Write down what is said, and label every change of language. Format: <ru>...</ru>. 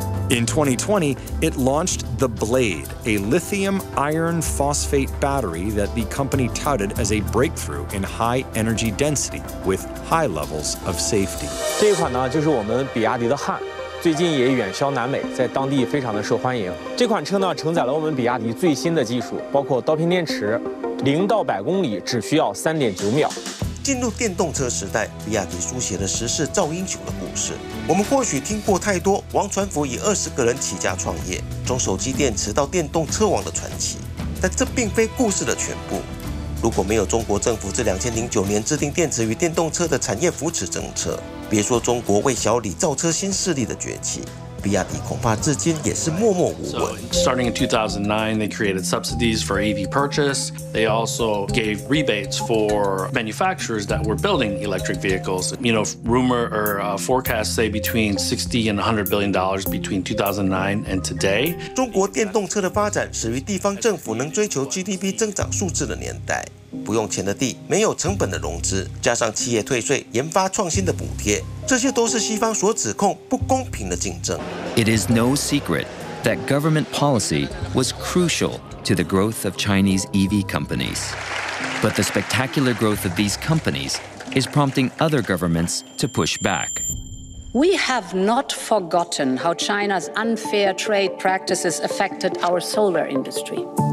<en>In 2020, it launched the Blade, a lithium iron phosphate battery that the company touted as a breakthrough in high energy density with high levels of safety.</en> <zh>这一款呢，就是我们比亚迪的汉，最近也远销南美，在当地非常的受欢迎。这款车呢，承载了我们比亚迪最新的技术，包括刀片电池，0到100公里只需要3.9秒。进入电动车时代，比亚迪书写了时势造英雄的故事。我们或许听过太多王传福以20个人起家创业，从手机电池到电动车王的传奇，但这并非故事的全部。如果没有中国政府自2009年制定电池与电动车的产业扶持政策，别说中国为小李造车新势力的崛起，比亚迪恐怕至今也是默默无闻。</zh> <en>Starting in 2009, they created subsidies for EV purchase. They also gave rebates for manufacturers that were building electric vehicles. You know, rumor or forecast say between $60 and $100 billion between 2009 and today.</en> <zh>中国电动车的发展始于地方政府能追求 GDP 增长数字的年代，不用钱的地，没有成本的融资，加上企业退税、研发创新的补贴。这些都是西方所指控不公平的竞争。</zh> <en>It is no secret that government policy was crucial to the growth of Chinese EV companies. But the spectacular growth of these companies is prompting other governments to push back. We have not forgotten how China's unfair trade practices affected our solar industry.</en>